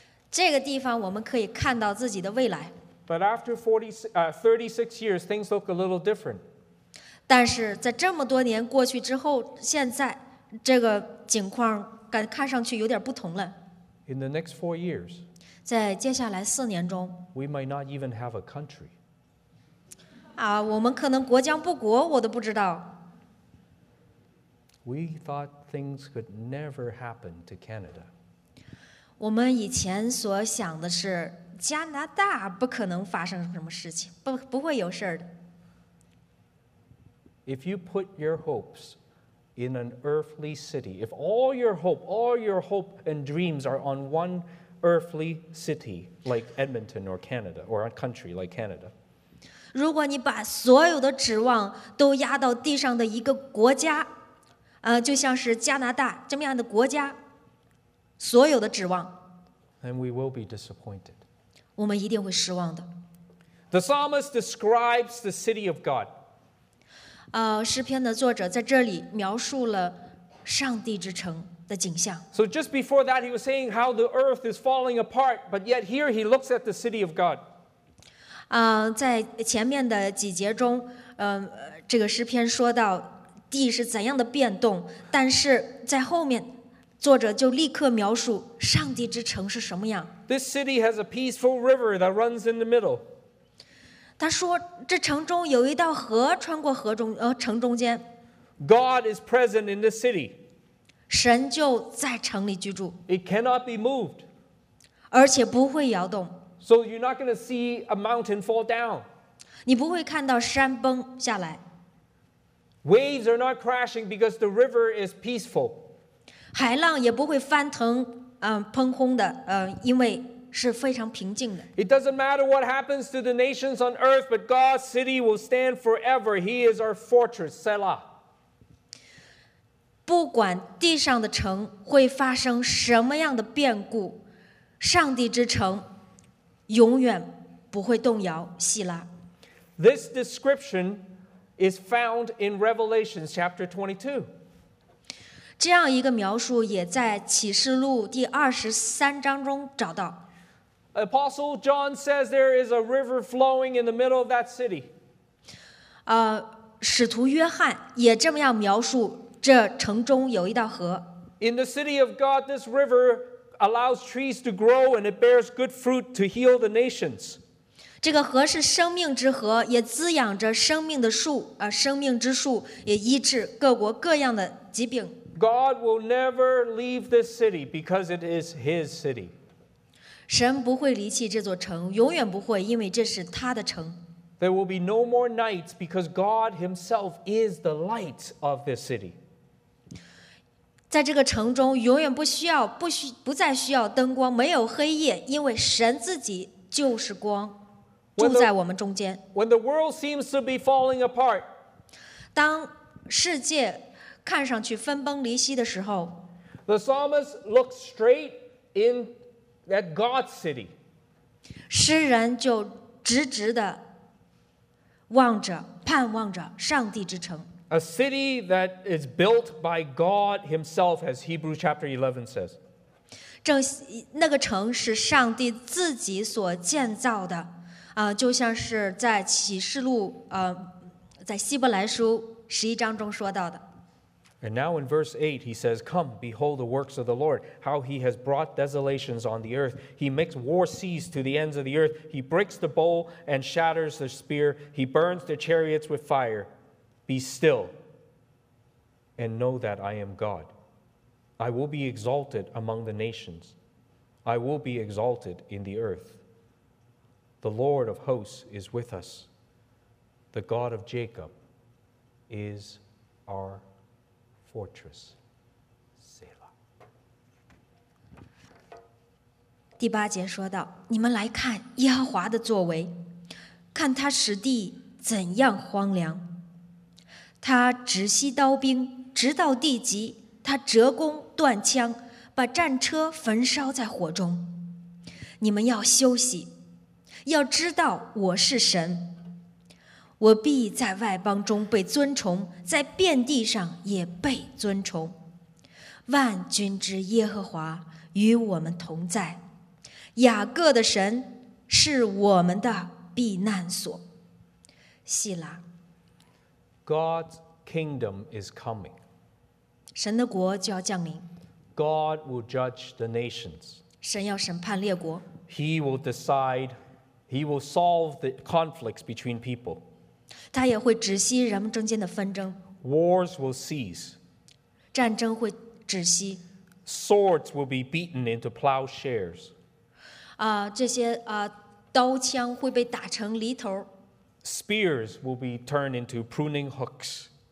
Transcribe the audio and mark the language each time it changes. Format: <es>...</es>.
<zh>这个地方我们可以看到自己的未来。</zh> <en>But after 36 years, things look a little different.</en> <zh>但是在这么多年过去之后，现在这个情况感看上去有点不同了。</zh> <en>In the next 4 years,</en> <zh>在接下来四年中</zh> <en>，we might not even have a country.</en> <zh>啊，我们可能国将不国，我都不知道。</zh> <en>We thought things could never happen to Canada.</en> <zh>我们以前所想的是加拿大不可能发生什么事情，不会有事的。</zh> <en>If you put your hopes in an earthly city, if all your hope, all your hope and dreams are on one earthly city like Edmonton or Canada, or a country like Canada,</en> <zh>如果你把所有的指望都压到地上的一个国家，就像是加拿大这么样的国家，所有的指望，</zh> <en>then we will be disappointed.</en> <zh>我们一定会失望的。</zh> <en>The psalmist describes the city of God.</en> <zh>诗篇的作者在这里描述了上帝之城的景象。</zh> <en>So just before that, he was saying how the earth is falling apart, but yet here he looks at the city of God.</en> <zh>在前面的几节中，这个诗篇说到地是怎样的变动，但是在后面，作者就立刻描述上帝之城是什么样。</zh> <en>This city has a peaceful river that runs in the middle.</en> <zh>他说，这城中有一道河穿过河中，城中间。</zh> <en>God is present in the city.</en> <zh>神就在城里居住。</zh> <en>It cannot be moved.</en> <zh>而且不会摇动。</zh> <en>So you're not going to see a mountain fall down.</en> <zh>你不会看到山崩下来。</zh> <en>Waves are not crashing because the river is peaceful.</en> <zh>海浪也不会翻腾，喷轰的，因为是非常平静的。</zh> <en>It doesn't matter what happens to the nations on earth, but God's city will stand forever. He is our fortress, Selah.</en> <zh>不管地上的城会发生什么样的变故，上帝之城永远不会动摇，希拉。</zh> <en>This description is found in Revelation chapter 22.</en> <zh>这样一个描述也在启示录第23章中找到。</zh> <en>Apostle John says there is a river flowing in the middle of that city.</en> <zh>使徒约翰也这么样描述这城中有一道河。</zh> <en>In the city of God, this river allows trees to grow and it bears good fruit to heal the nations.</en> <zh>这个河是生命之河，也滋养着生命的树，生命之树也医治各国各样的疾病。</zh> <en>God will never leave this city because it is His city.</en> <zh>神不会离弃这座城，永远不会，因为这是他的城。</zh> <en>There will be no more nights because God Himself is the light of this city.</en> <zh>在这个城中，永远不再需要灯光，没有黑夜，因为神自己就是光。</zh> <en>When the world seems to be falling apart,</en> <zh>当世界看上去分崩离析的时候，</zh> <en>the psalmist looks straight in at God's city.</en> <zh>诗人就直直地望着，盼望着上帝之城。</zh> <en>A city that is built by God Himself, as Hebrews chapter 11 says.</en> <zh>正那个城是上帝自己所建造的。就像是在启示录，在希伯来书十一章中说到的。</zh> <en>And now in verse 8, he says, "Come, behold the works of the Lord, how he has brought desolations on the earth. He makes war cease to the ends of the earth. He breaks the bow and shatters the spear. He burns the chariots with fire. Be still and know that I am God. I will be exalted among the nations. I will be exalted in the earth." The Lord of hosts is with us. The God of Jacob is our fortress. Selah.</en> <zh>第八节说到，你们来看耶和华的作为，看他使地怎样荒凉。他直息刀兵，直到地极；他折弓断枪，把战车焚烧在火中。你们要休息。要知道我是神，我必在外邦中被尊崇，在遍地上也被尊崇。万军之耶和华与我们同在，雅各的神是我们的避难所。希拉。</zh> <en>God's kingdom is coming.</en> <zh>神的国就要降临。</zh> <en>God will judge the nations.</en> <zh>神要审判列国。</zh> <en>He will decide, he will solve the conflicts between people.</en> <zh>他也会止息人们中间的纷争。</zh> <en>Wars will cease.</en> <zh>战争会止息。</zh> <en>Swords will be beaten into plowshares.</en> <zh>这些刀枪会被打成犁头。</zh> <en>Spears will be turned into pruning hooks.</en>